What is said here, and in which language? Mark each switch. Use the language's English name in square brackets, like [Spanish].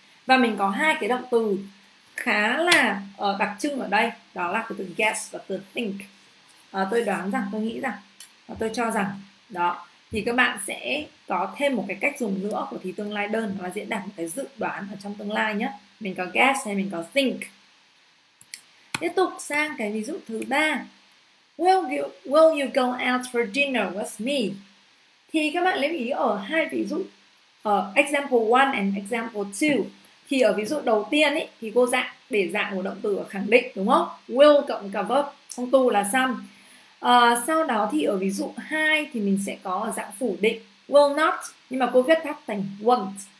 [Vietnamese] Và mình có hai cái động từ khá là đặc trưng ở đây, đó là cái từ guess và từ think. Tôi đoán rằng, tôi nghĩ rằng, tôi cho rằng, đó. Thì các bạn sẽ có thêm một cái cách dùng nữa của thì tương lai đơn, nó diễn đạt một cái dự đoán ở trong tương lai nhé. Mình có guess hay mình có think. Tiếp tục sang cái ví dụ thứ ba. [English] Will you go out for dinner with me? [Vietnamese] Thì các bạn lưu ý ở hai ví dụ, ở [English] example 1 and example 2. [Vietnamese] Thì ở ví dụ đầu tiên ý, thì cô dạng để dạng của động từ ở khẳng định đúng không? Will cộng cả verb, xong to là xong. Sau đó thì ở ví dụ 2 thì mình sẽ có ở dạng phủ định will not, nhưng mà cô viết tắt thành won't.